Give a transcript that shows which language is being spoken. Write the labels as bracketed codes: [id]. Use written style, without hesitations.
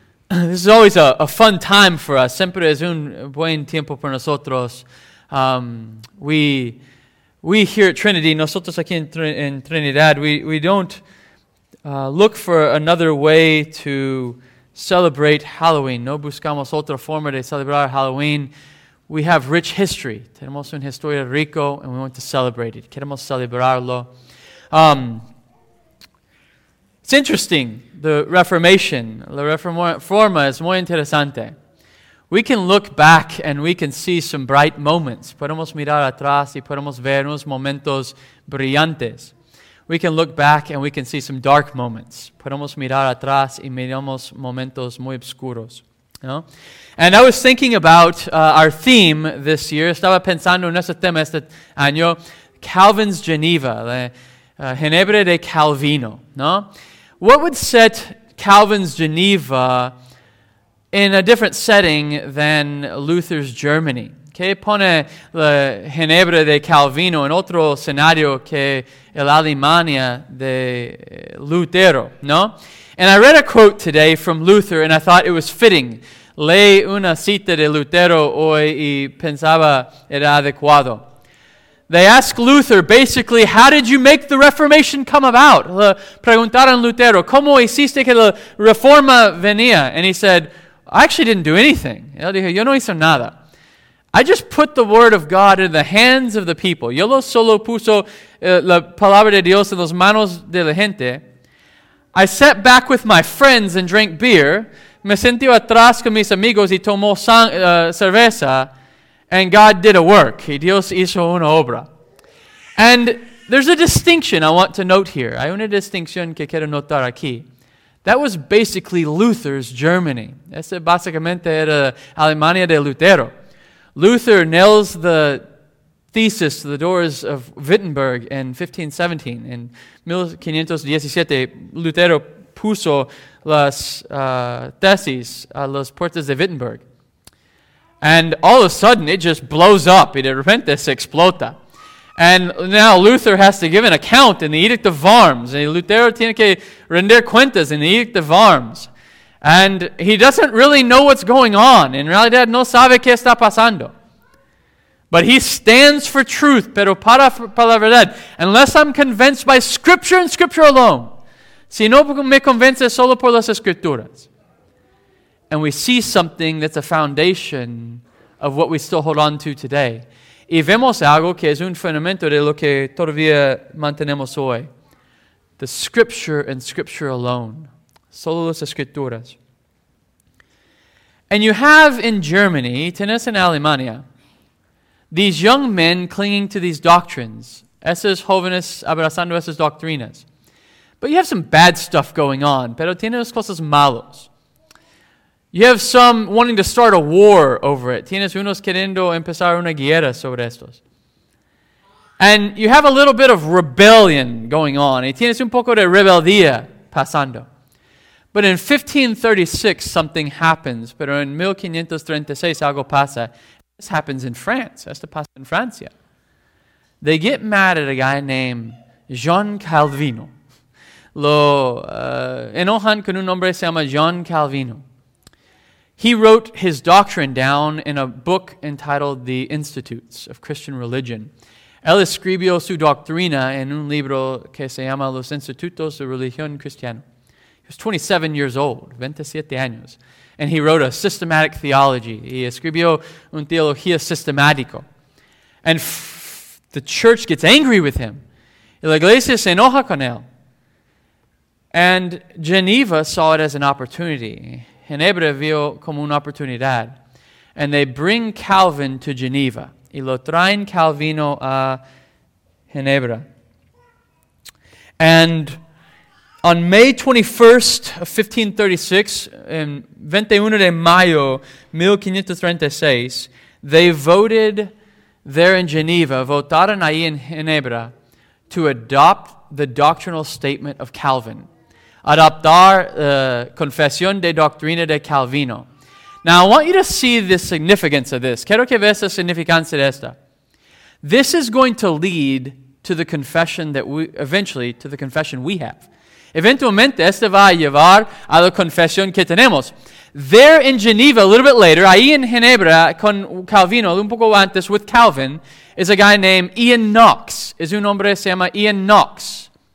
[en] This is always a fun time for us. [es] Siempre es un buen tiempo para nosotros. [en] We here at Trinity, [es] nosotros aquí en Trinidad, [en] we don't look for another way to celebrate Halloween. [es] No buscamos otra forma de celebrar Halloween. [en] We have rich history. [es] Tenemos una historia rico, [en] and we want to celebrate it. [es] Queremos celebrarlo. [en] It's interesting, the Reformation. [es] La Reforma es muy interesante. [en] We can look back and we can see some bright moments. [es] Podemos mirar atrás y podemos ver unos momentos brillantes. [en] We can look back and we can see some dark moments. [es] Podemos mirar atrás y miramos momentos muy oscuros. No? [en] And I was thinking about our theme this year. [es] Estaba pensando en ese tema este año. [en] Calvin's Geneva. [es] Ginebra de Calvino. No? [en] What would set Calvin's Geneva in a different setting than Luther's Germany? [es] ¿Qué pone la Ginebra de Calvino en otro escenario que la Alemania de Lutero? No? [en] And I read a quote today from Luther, and I thought it was fitting. [es] Leí una cita de Lutero hoy y pensaba era adecuado. [en] They ask Luther, basically, how did you make the Reformation come about? [es] Preguntaron Lutero, ¿cómo hiciste que la Reforma venía? [en] And he said, I actually didn't do anything. [es] Él dijo, yo no hice nada. [en] I just put the word of God in the hands of the people. [es] Yo solo puso la palabra de Dios en las manos de la gente. [en] I sat back with my friends and drank beer. [es] Me sentí atrás con mis amigos y tomó cerveza. [en] And God did a work. [es] Y Dios hizo una obra. [en] And there's a distinction I want to note here. [es] Hay una distinción que quiero notar aquí. [en] That was basically Luther's Germany. [es] Ese básicamente era Alemania de Lutero. [en] Luther nails the thesis to the doors of Wittenberg in 1517. [es] In 1517, Lutero puso las tesis a las puertas de Wittenberg. [en] And all of a sudden, it just blows up. [es] Y de repente se explota. [en] And now Luther has to give an account in the Edict of Worms. And [es] Lutero tiene que render cuentas [en] in the Edict of Worms. And he doesn't really know what's going on. [es] En realidad, no sabe qué está pasando. [en] But he stands for truth, [es] pero para la verdad. [en] Unless I'm convinced by Scripture and Scripture alone. [es] Si no me convence solo por las Escrituras. [en] And we see something that's a foundation of what we still hold on to today. [es] Y vemos algo que es un fundamento de lo que todavía mantenemos hoy. [en] The Scripture and Scripture alone. [es] Solo las Escrituras. [en] And you have in Germany, [es] tenés en Alemania, [en] these young men clinging to these doctrines. [es] Esos jóvenes abrazando esas doctrinas. [en] But you have some bad stuff going on. [es] Pero tienes cosas malos. [en] You have some wanting to start a war over it. [es] Tienes unos queriendo empezar una guerra sobre estos. [en] And you have a little bit of rebellion going on. [es] Y tienes un poco de rebeldía pasando. [en] But in 1536, something happens. [es] Pero en 1536, algo pasa. [en] This happens in France. [es] Esto pasa en Francia. [en] They get mad at a guy named Jean Calvino. [es] Enojan con un hombre que se llama Jean Calvino. [en] He wrote his doctrine down in a book entitled The Institutes of Christian Religion. [es] Él escribió su doctrina en un libro que se llama Los Institutos de Religión Cristiana. [en] He was 27 years old, [es] 27 años. [en] And he wrote a systematic theology. [es] He escribió un teología sistemático. [en] And the church gets angry with him. [es] La iglesia se enoja con él. [en] And Geneva saw it as an opportunity. [es] Ginebra vio como una oportunidad. [en] And they bring Calvin to Geneva. [es] Y lo traen Calvino a Ginebra. [en] And on May 21st of 1536, [es] 21 de mayo 1536, [en] they voted there in Geneva, [es] votaron ahí en Ginebra, [en] to adopt the doctrinal statement of Calvin. [es] Adoptar confesión de doctrina de Calvino. [en] Now, I want you to see the significance of this. [es] Quiero que veas la significancia de esta. [en] This is going to lead to the confession that we, eventually, to the confession we have. [es] Eventualmente, este va a llevar a la confesión que tenemos. [en] There in Geneva, a little bit later, [es] ahí en Ginebra, con Calvino, un poco antes, [en] with Calvin, is a guy named Ian Knox. [es] Es un hombre que se llama Ian Knox.